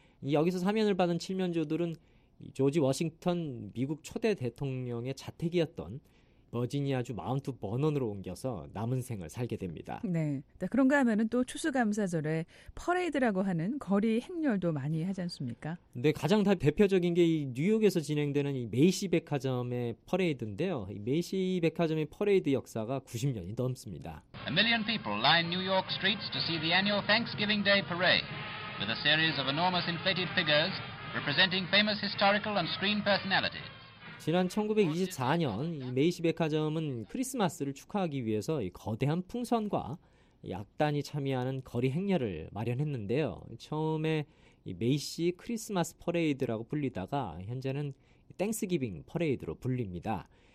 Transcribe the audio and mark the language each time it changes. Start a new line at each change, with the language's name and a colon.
Korean: 여기서 사면을 받은 칠면조들은 조지 워싱턴 미국 초대 대통령의 자택이었던 버지니아주 마운트 버넌으로 옮겨서 남은 생을 살게 됩니다. 네. 그런가 하면 또 추수감사절에 퍼레이드라고 하는 거리 행렬도 많이 하지 않습니까? 네. 가장 대표적인 게 이 뉴욕에서 진행되는 이 메이시 백화점의 퍼레이드인데요. 이 메이시 백화점의 퍼레이드 역사가 90년이 넘습니다.
English: A million people line New York streets to see the annual Thanksgiving Day parade with a series of enormous inflated figures representing famous historical and screen personalities.
Korean: 지난 1924년 이 메이시 백화점은 크리스마스를 축하하기 위해서 이 거대한 풍선과 약단이 참여하는 거리 행렬을 마련했는데요. 처음에 이 메이시 크리스마스 퍼레이드라고 불리다가 현재는 땡스기빙 퍼레이드로 불립니다.